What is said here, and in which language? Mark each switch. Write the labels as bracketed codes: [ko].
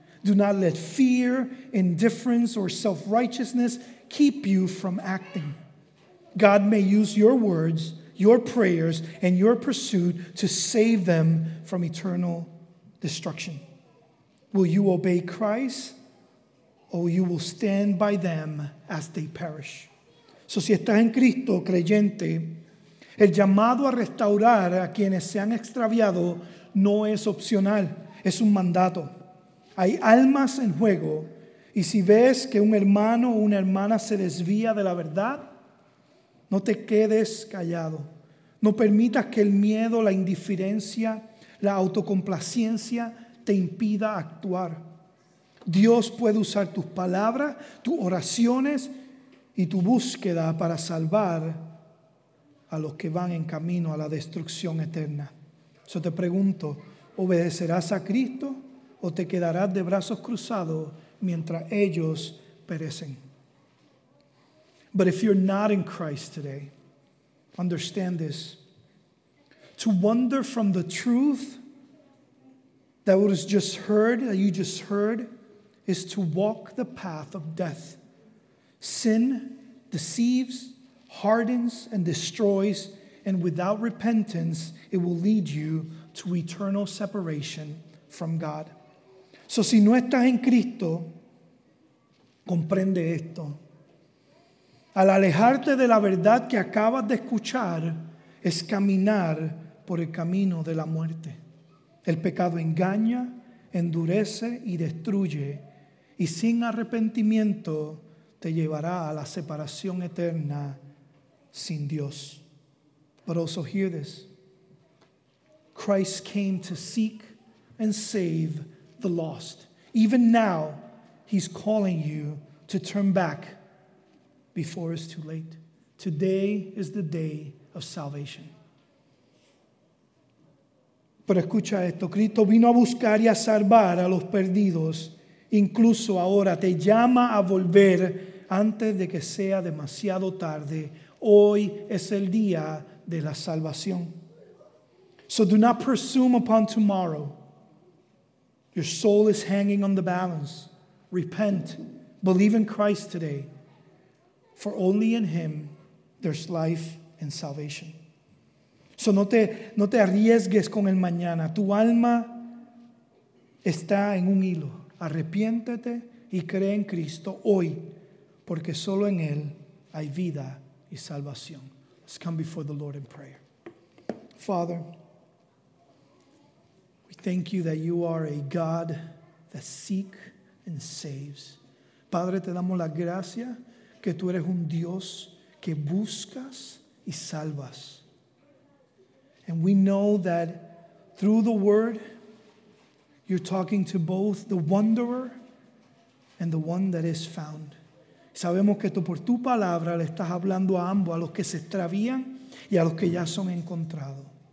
[en] Do not let fear, indifference, or self-righteousness keep you from acting. God may use your words, your prayers, and your pursuit to save them from eternal destruction. Will you obey Christ? Oh, you will stand by them as they perish. [es] So si estás en Cristo, creyente, el llamado a restaurar a quienes se han extraviado no es opcional, es un mandato. Hay almas en juego, y si ves que un hermano o una hermana se desvía de la verdad, no te quedes callado. No permitas que el miedo, la indiferencia, la autocomplacencia te impida actuar. Dios puede usar tus palabras, tus oraciones y tu búsqueda para salvar a los que van en camino a la destrucción eterna. Yo te pregunto, ¿obedecerás a Cristo o te quedarás de brazos cruzados mientras ellos perecen? [en] But if you're not in Christ today, understand this. To wander from the truth that was just heard, that you just heard, is to walk the path of death. Sin deceives, hardens, and destroys, and without repentance, it will lead you to eternal separation from God. [es] So si no estás en Cristo, comprende esto. Al alejarte de la verdad que acabas de escuchar, es caminar por el camino de la muerte. El pecado engaña, endurece y destruye, y sin arrepentimiento te llevará a la separación eterna sin Dios. [en] But also hear this. Christ came to seek and save the lost. Even now, he's calling you to turn back before it's too late. Today is the day of salvation. [es] Pero escucha esto. Cristo vino a buscar y a salvar a los perdidos. Incluso ahora te llama a volver antes de que sea demasiado tarde. Hoy es el día de la salvación. [en] So do not presume upon tomorrow. Your soul is hanging on the balance. Repent. Believe in Christ today. For only in him there's life and salvation. [es] So no te arriesgues con el mañana. Tu alma está en un hilo. Arrepiéntete y cree en Cristo hoy, porque solo en él hay vida y salvación. [en] Let's come before the Lord in prayer. Father, we thank you that you are a God that seeks and saves. [es] Padre, te damos la gracia que tú eres un Dios que buscas y salvas. [en] And we know that through the word, you're talking to both the wanderer and the one that is found. [es] Sabemos que tú por tu palabra le estás hablando a ambos, a los que se extravían y a los que ya son encontrados.